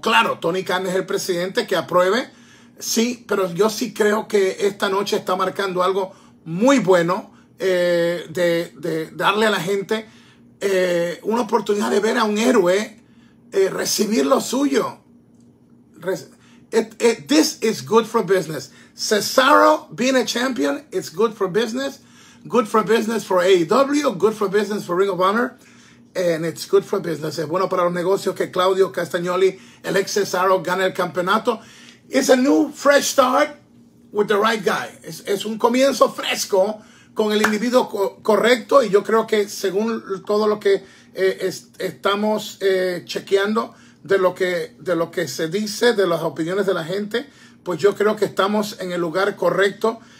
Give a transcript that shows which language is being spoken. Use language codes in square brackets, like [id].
[es] Claro, Tony Khan es el presidente, que apruebe. Sí, pero yo sí creo que esta noche está marcando algo muy bueno, de darle a la gente una oportunidad de ver a un héroe recibir lo suyo. [en] This is good for business. Cesaro being a champion, it's good for business. Good for business for AEW, good for business for Ring of Honor. And it's good for business. [es] Es bueno para los negocios que Claudio Castagnoli, el ex Cesaro, gane el campeonato. [en] It's a new fresh start with the right guy. [es] Es un comienzo fresco con el individuo correcto. Y yo creo que según todo lo que estamos chequeando, de lo que se dice, de las opiniones de la gente, pues yo creo que estamos en el lugar correcto.